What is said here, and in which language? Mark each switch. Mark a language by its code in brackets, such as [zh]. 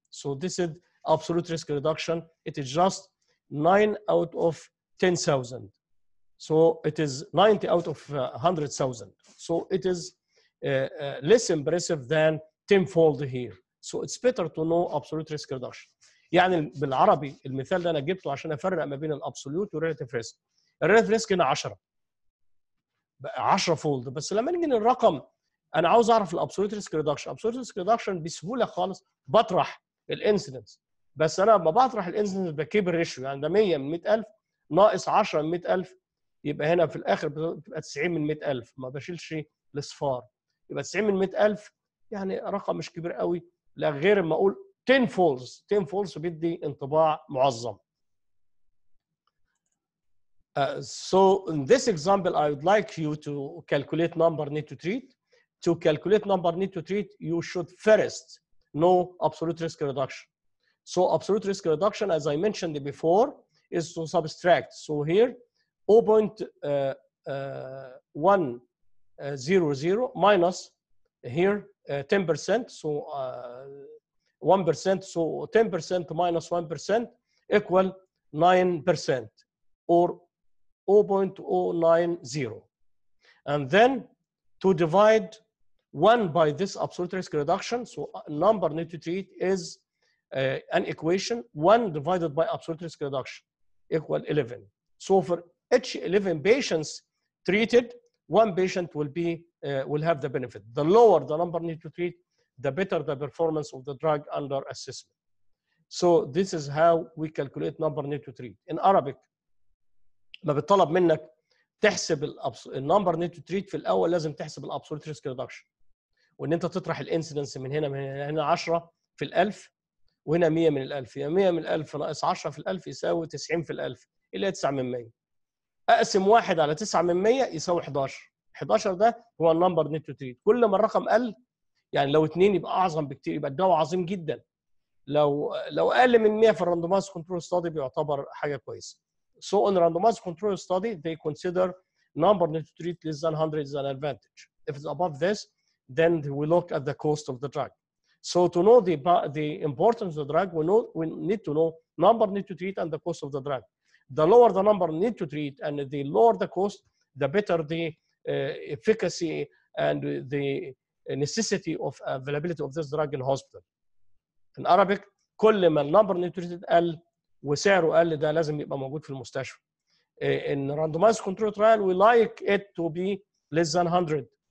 [en] So this is absolute risk reduction. It is just 9 out of 10,000. So it is 90 out of 100,000. So it is less impressive than tenfold here. So it's better to know absolute risk reduction. [ar] يعني بالعربي المثال ده انا جبته عشان افرق ما بين الابسولوت والريلاتيف ريسك. الريلاتيف ريسك هنا 10. بقى 10 فولد، بس لما نيجي للرقم انا عاوز اعرف الابسولوت ريسك ريدكشن. الابسولوت ريسك ريدكشن بسهوله خالص بطرح الانسيدنس، بس انا لما بطرح الانسيدنس بكيب الريشيو، يعني ده 100 من 100,000 ناقص 10 من 100,000 يبقى هنا في الاخر بتبقى 90 من 100,000، ما بشيلش الاصفار. يبقى 90 من 100,000 يعني رقم مش كبير قوي، لا غير ما اقول 10 فولز، 10 فولز بيدي انطباع معظم. [en] So in this example I would like you to calculate number need to treat. To calculate number need to treat, you should first know absolute risk reduction. So absolute risk reduction, as I mentioned before, is to subtract. So here 0.100 minus here 10%, so 1%, so 10% minus 1% equal 9% or 0.090. And then to divide 1 by this absolute risk reduction, so number need to treat is an equation, 1 divided by absolute risk reduction equal 11. So for each 11 patients treated, one patient will be will have the benefit. The lower the number need to treat, the better the performance of the drug under assessment. So this is how we calculate number need to treat. In Arabic, [ar] ما بيطلب منك تحسب الـ number need to treat في الأول لازم تحسب الـ absolute risk reduction. وإن أنت تطرح الـ incidence من هنا، من هنا 10 في الألف وهنا 100 من الألف، يعني 100 من الألف ناقص 10 في الألف يساوي 90 في الألف اللي هي 9 من 100. أقسم 1 على 9 من 100 يساوي 11. 11 ده هو الـ number need to treat. كل ما الرقم قل، يعني لو 2 يبقى اعظم بكتير، يبقى الدواء عظيم جدا. لو اقل من 100 في الراندومايز كنترول ستادي بيعتبر حاجه كويسه. [en] So in randomized control study they consider number need to treat less than 100 is an advantage. If it's above this, then we look at the cost of the drug. So to know the importance of the drug, we need to know number need to treat and the cost of the drug. The lower the number need to treat and the lower the cost, the better the efficacy and the necessity of availability of this drug in hospital. In Arabic, [ar] كل ما number need to treat قل وسعره قل ده لازم يبقى موجود في المستشفى. [en] In randomized control trial, we like it to be less than 100.